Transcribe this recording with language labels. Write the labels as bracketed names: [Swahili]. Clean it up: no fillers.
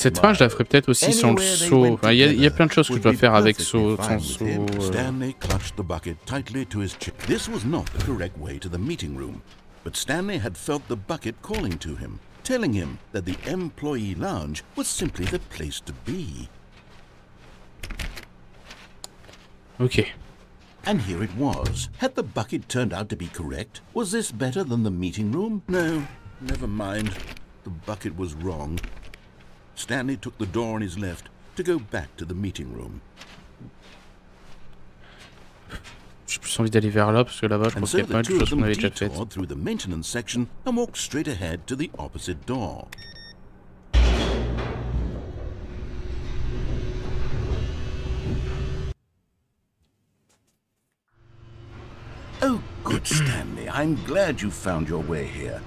[French] Cette fin, je la ferai peut-être aussi sans le seau. Enfin, il y a plein de choses que je dois faire avec seau, sans seau. [English] Stanley clutched the bucket tightly to his chest. This was not the correct way to the meeting room. But Stanley had felt the bucket calling to him, telling him that the employee lounge was simply the place to be. Okay. And here it was. Had the bucket turned out to be correct? Was this better than the meeting room? No, never mind. The bucket was wrong. Stanley took the door on his left to go back to the meeting room. [French] J'ai plus envie d'aller vers là parce que là-bas, je pense qu'il y a pas mal de choses qu'on avait déjà faites. [English] Detoured through the maintenance section and walked straight ahead to the opposite door. Oh, good Stanley, I'm glad you found your way here.